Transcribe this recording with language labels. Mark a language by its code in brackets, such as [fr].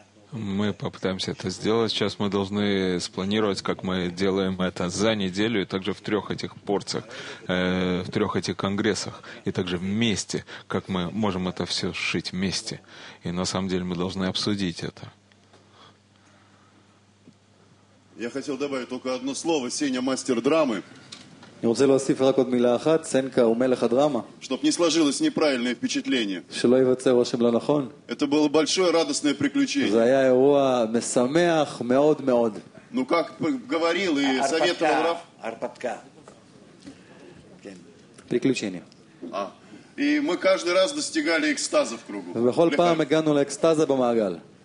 [ru] Мы попытаемся это сделать. Сейчас мы должны спланировать, как мы делаем это за неделю, и также в трех этих порциях, в трех этих конгрессах, и также вместе, как мы можем это все сшить вместе. И на самом деле мы должны обсудить это. Я хотел добавить только одно слово. Сеня – мастер драмы. [he] אני רוצה להוסיף רק עוד מילה אחת, סנקה הוא מלך הדרמה. [ru] Чтоб не сложилось неправильное впечатление. [he] שלא ייווצר רושם לא נכון. [ru] Это было большое радостное приключение. [he] זה היה אירוע משמח מאוד מאוד. [ru] Ну как говорил и советовал Рав? [he] Арпатка. [ru] Приключение. А. И мы каждый раз достигали экстаза в кругу. [he] ובכל פעם הגענו לאקסטאזה במעגל.